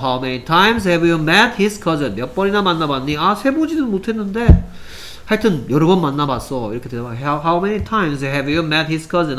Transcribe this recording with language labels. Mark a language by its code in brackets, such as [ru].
[en] How many times have you met his cousin? [ko] 몇 번이나 만나봤니? 아, 세보지는 못했는데 하여튼 여러 번 만나봤어. 이렇게 대답해. [en] How many times have you met his cousin?